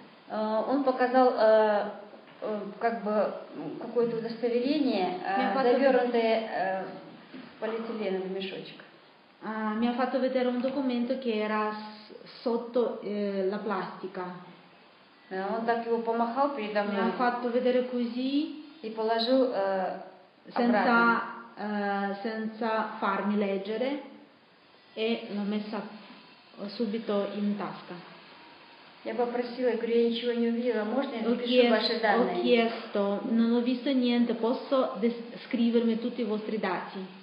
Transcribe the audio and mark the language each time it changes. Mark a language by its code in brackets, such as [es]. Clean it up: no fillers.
[ru] Он показал как бы какое-то удостоверение, завернутое полиэтиленовый мешочек. [it] Mi ha fatto vedere un documento che era sotto la plastica. [ru] Он так его помахал передо мной. [it] Ha fatto vedere così e [ru] положил [it] senza senza farmi leggere e l'ho messa subito in tasca. [ru] Я попросила, говорю, я ничего не увидела, можно я напишу ваши данные? [it] Ho chiesto, non ho visto niente, posso scrivermi tutti i vostri dati?